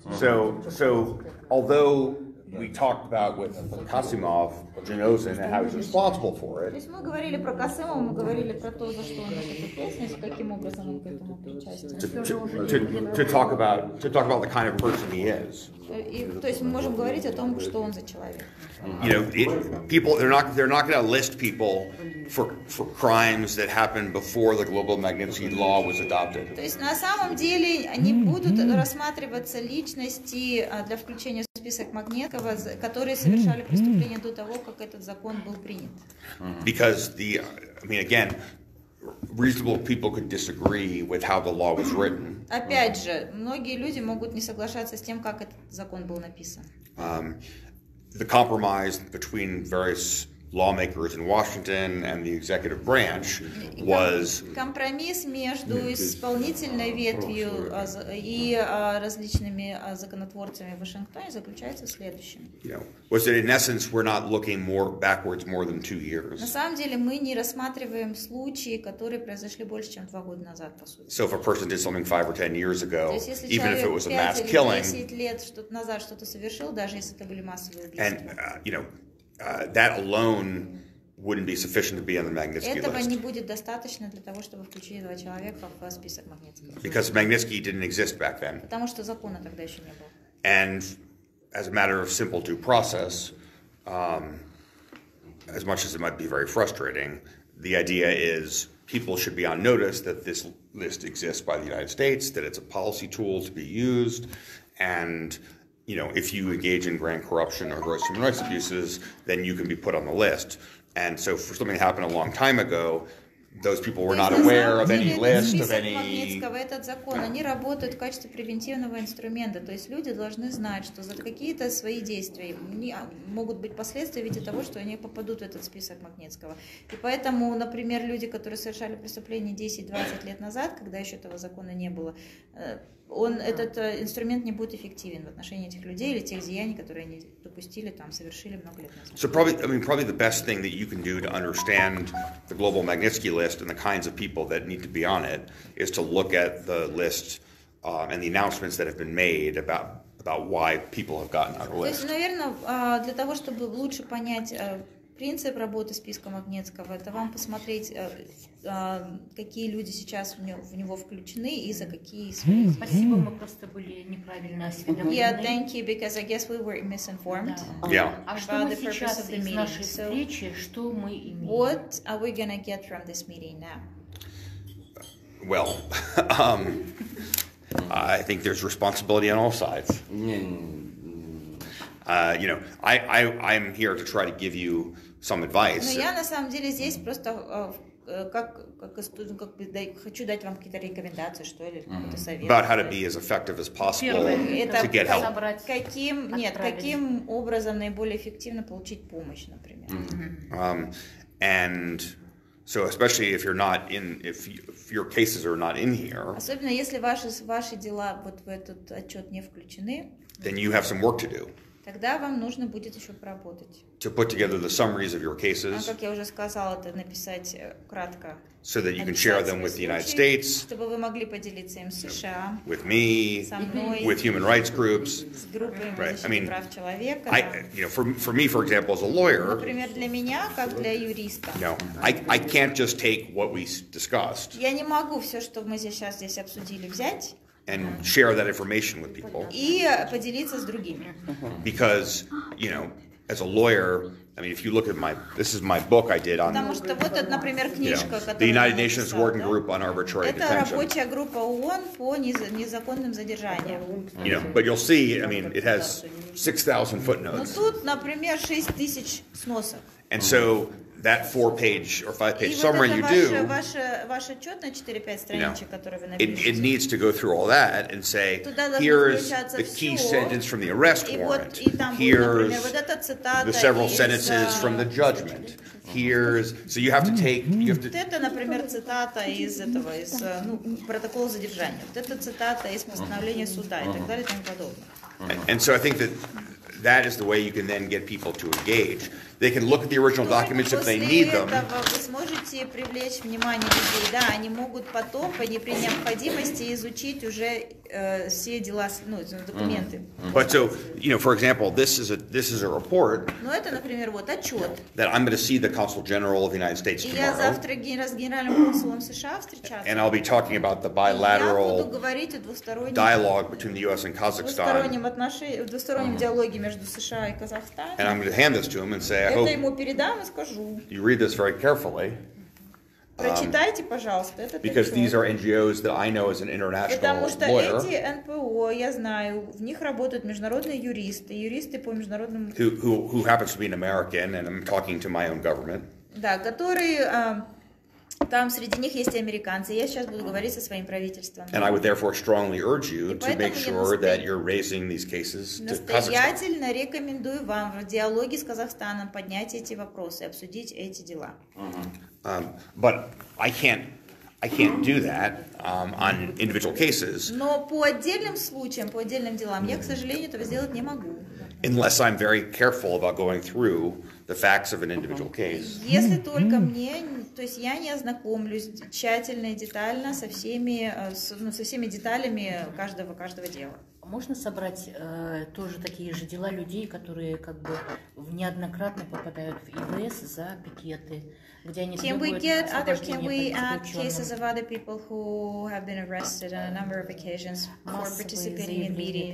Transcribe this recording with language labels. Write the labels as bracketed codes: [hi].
[en] So although we talked about with Kasimov, Janosin, and how he's responsible for it. [ru] То есть мы говорили про Касимова, мы говорили про то, за что он ответственность, каким образом он к этому причастен. [en] To talk about the kind of person he is. [ru] То есть мы можем говорить о том, что он за человек. [en] You know, people—they're not going to list people for crimes that happened before the global Magnitsky law was adopted. [ru] То есть на самом деле они будут рассматриваться личности для включения в список Магнитского, которые совершали преступления до того, как этот закон был принят. [en] Because again, reasonable people could disagree with how the law was written. [ru] Опять же, многие люди могут не соглашаться с тем, как этот закон был написан. [en] The compromise between various lawmakers in Washington and the executive branch was [ru] компромисс между исполнительной ветвью и различными законотворцами в Вашингтоне заключается в следующем. [en] Was that in essence we're not looking more backwards more than 2 years. [ru] На самом деле мы не рассматриваем случаи, которые произошли больше чем 2 года назад, по сути. [en] So if a person did something 5 or 10 years ago, even if it was a mass killing, [ru] 10 лет назад что-то совершил, даже если это были массовые убийства. [en] And that alone wouldn't be sufficient to be on the Magnitsky list. [ru] Этого не будет достаточно для того, чтобы включить два человека в список Магнитского. [en] Because Magnitsky didn't exist back then. [ru] Потому что закона тогда еще не было. [en] And as a matter of simple due process, as much as it might be very frustrating, the idea is people should be on notice that this list exists by the United States, that it's a policy tool to be used, and you know, if you engage in grand corruption or gross human rights abuses, then you can be put on the list. And so for something that happened a long time ago, those people were not aware of any list, of any... [ru] Этот закон, они работают в качестве превентивного инструмента. То есть люди должны знать, что за какие-то свои действия могут быть последствия в виде того, что они попадут в этот список Магнитского. И поэтому, например, люди, которые совершали преступление 10-20 лет назад, когда еще этого закона не было, этот инструмент не будет эффективен в отношении этих людей или тех деяний, которые они допустили, там, совершили много лет назад. [en] So probably, probably the best thing that you can do to understand the global Magnitsky list and the kinds of people that need to be on it is to look at the list and the announcements that have been made about why people have gotten on the list. [ru] То есть, наверное, для того, чтобы лучше понять принцип работы списка Магнитского, это вам посмотреть, какие люди сейчас в него включены и за какие свои. Спасибо, мы просто были неправильно осведомлены. [en] Yeah, thank you, because I guess we were misinformed. Yeah. [ru] А что мы сейчас из нашей встречи, что мы имеем? [en] What are we gonna get from this meeting now? Well, I think there's responsibility on all sides. I'm here to try to give you some advice. [ru] Но я на самом деле здесь просто как хочу дать вам какие-то рекомендации, что ли, какой-то совет. [en] About how to be as effective as possible to get help. [ru] Каким образом наиболее эффективно получить помощь, например. [en] And so especially if you're not in, if your cases are not in here. [ru] Особенно если ваши дела вот в этот отчет не включены. [en] Then you have some work to do. [ru] Тогда вам нужно будет еще поработать. [en] To put together the summaries of your cases. [ru] Как я уже сказала, это написать кратко. [en] So that you can share them with the United States. [ru] Чтобы вы могли поделиться им с США. [en] With me. [ru] Со мной. [en] With human rights groups. [ru] С группами защиты прав человека. [en] For me, for example, as a lawyer. [ru] Например, для меня, как для юриста. [en] I can't just take what we discussed. [ru] Я не могу все, что мы здесь обсудили, взять. [en] And share that information with people. [ru] И поделиться с другими. [en] Because, as a lawyer, if you look at this is my book I did on. [ru] Потому что вот это, например, книжка, которая. [en] The United Nations Working Group on Arbitrary Detention. [ru] Это рабочая группа ООН по незаконным задержаниям. [en] But you'll see, it has 6,000 footnotes. [ru] Но тут, например, 6,000 сносок. [en] And so that 4-page or 5-page summary [ru] вот [en] you do, [ru] ваш отчет на 4-5 страничек, который вы напишете, [en] it needs to go through all that and say, here's the key sentence from the arrest warrant, here's the several sentences from the judgment, here's, so you have to take, you have to, [ru] вот это, например, цитата из этого, из протокола задержания, вот это цитата из постановления суда и так далее, и тому подобное. [en] And so I think that is the way you can then get people to engage. They can look at the original documents if they need them. [ru] После этого вы сможете привлечь внимание людей. Да, они могут потом, при необходимости, изучить уже все дела, ну, документы. [en] But so, you know, for example, this is a report. [ru] Ну, это, например, вот отчет. [en] That I'm going to see the Consul General of the United States tomorrow. [ru] Я завтра с генеральным консулом США встречаться. [en] And I'll be talking about the bilateral dialogue between the U.S. and Kazakhstan. [ru] Двустороннем диалоге между США и Казахстаном. [en] And I'm going to hand this to him and say, I hope. [ru] Это ему передам и скажу. [en] You read this very carefully. [ru] Прочитайте, пожалуйста, этот отчет. [en] Because these are NGOs that I know as an international lawyer. [ru] Потому что эти НПО, я знаю, в них работают международные юристы, юристы по международному... [en] Who happens to be an American, and I'm talking to my own government. [ru] Да, который... Там среди них есть и американцы. Я сейчас буду говорить со своим правительством. [en] And I would therefore strongly urge you to make sure that you're raising these cases to Kazakhstan. [ru] Настоятельно рекомендую вам в диалоге с Казахстаном поднять эти вопросы, обсудить эти дела. [en] But I can't do that on individual cases. [ru] Но по отдельным случаям, по отдельным делам, я, к сожалению, этого сделать не могу. [en] Unless I'm very careful about going through the facts of an individual case. [ru] Если только мне, то есть я не ознакомлюсь тщательно и детально со всеми, ну, со всеми деталями каждого дела. Можно собрать тоже такие же дела людей, которые как бы неоднократно попадают в ИВС за пикеты, где они требуют соблюдения под заключенным? [en] Cases of other people who have been arrested on a number of occasions for participating in meetings.